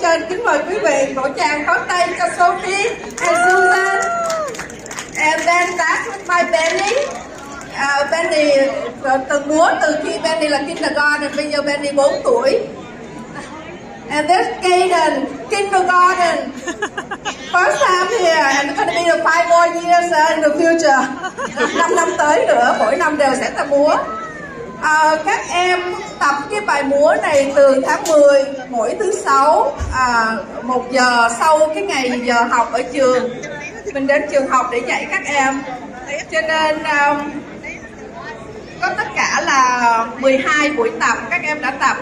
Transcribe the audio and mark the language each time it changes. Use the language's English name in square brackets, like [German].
[Vietnamese] Cho nên kính mời quý vị vỗ tràng khóa tay cho Sophie và Susan. [English] And then back with my Benny. [Vietnamese] Benny từng múa từ khi Benny là kindergarten, bây giờ Benny 4 tuổi. [English] And there's Kaden, kindergarten, first time here, and it's going to be 5 more years in the future. [Vietnamese] 5 năm tới nữa, mỗi năm đều sẽ tập múa. Các em tập cái bài múa này từ tháng 10, mỗi thứ 6, 1 giờ sau cái ngày giờ học ở trường. Mình đến trường học để dạy các em. Cho nên có tất cả là 12 buổi tập, các em đã tập.